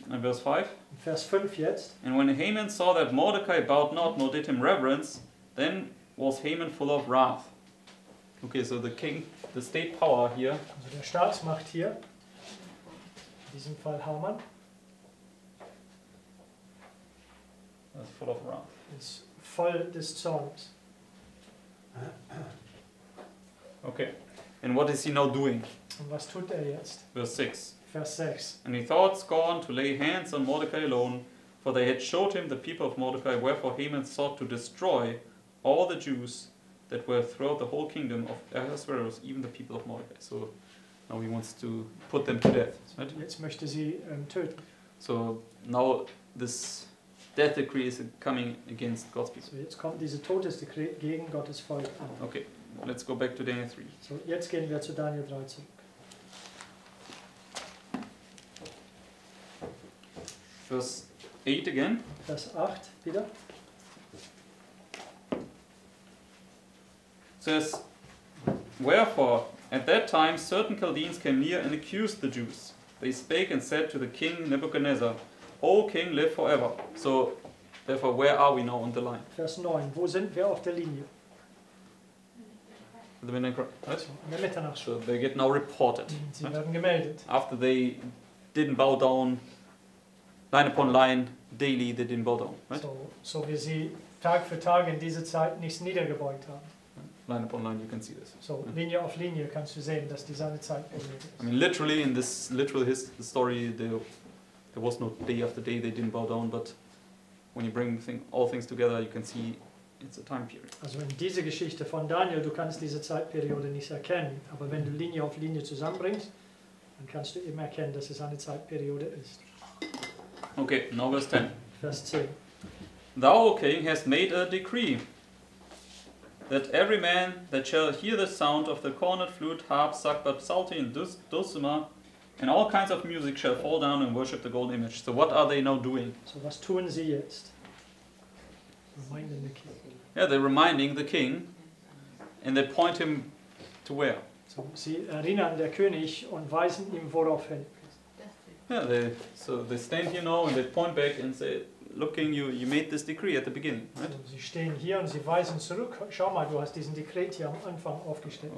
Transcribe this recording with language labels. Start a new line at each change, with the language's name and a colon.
English: In verse 5?
German: In Vers 5 jetzt.
English: And when Haman saw that Mordecai bowed not, nor did him reverence, then was Haman full of wrath. Okay, so the king, the state power here.
German: Also der Staatsmacht hier, in diesem Fall Haman.
English: It's full of wrath. It's
German: voll des Zorns.
English: Okay. And what is he now doing?
German: Und was tut er jetzt?
English: Verse 6.
German: Vers 6.
English: And he thought scorn to lay hands on Mordecai alone, for they had showed him the people of Mordecai, wherefore Haman sought to destroy all the Jews that were throughout the whole kingdom of Ahasuerus, even the people of Mordecai. So now he wants to put them to death. Right?
German: Jetzt möchte sie töten.
English: So now this death decree is coming against God's people.
German: So jetzt kommt dieses Todesdekret gegen Gottes Volk an.
English: Okay, let's go back to Daniel 3.
German: So jetzt gehen wir zu Daniel 3 zurück.
English: Verse 8 again.
German: Vers 8 wieder.
English: It says, wherefore, at that time certain Chaldeans came near and accused the Jews. They spake and said to the king Nebuchadnezzar, O king, live forever. So, therefore, where are we now on the line?
German: Vers 9. Wo sind wir auf der Linie?
English: The midnight cry. Right? Also, so they get now reported.
German: Sie
English: right?
German: werden gemeldet.
English: After they didn't bow down line upon line, daily they didn't bow down. Right?
German: So wie sie Tag für Tag in dieser Zeit nichts niedergebeugt haben.
English: Line upon line, you can see this. So mm-hmm.
German: Linie auf Linie kannst du sehen, dass die seine Zeit ist.
English: I mean, literally, in this literal story, there was no day after day they didn't bow down, but when you bring all things together, you can see it's a time period.
German: Also in dieser Geschichte von Daniel, du kannst diese Zeitperiode nicht erkennen, aber wenn du Linie auf Linie zusammenbringst, dann kannst du eben erkennen, dass es eine Zeitperiode ist.
English: Okay, now verse 10.
German: Vers 10.
English: Thou, O king, hast made a decree, that every man that shall hear the sound of the cornet, flute, harp, sackbut, psaltery, and dulcimer, and all kinds of music shall fall down and worship the golden image. So what are they now doing?
German: So was tun sie jetzt?
English: Reminding the king. Yeah, they're reminding the king, and they point him to where?
German: So sie erinnern der König und weisen ihm worauf hin.
English: Yeah, they stand here now and they point back and say, looking, you made this decree at the beginning, right?
German: Sie stehen hier und sie weisen zurück. Schau mal, du hast diesen Dekret hier am Anfang aufgestellt.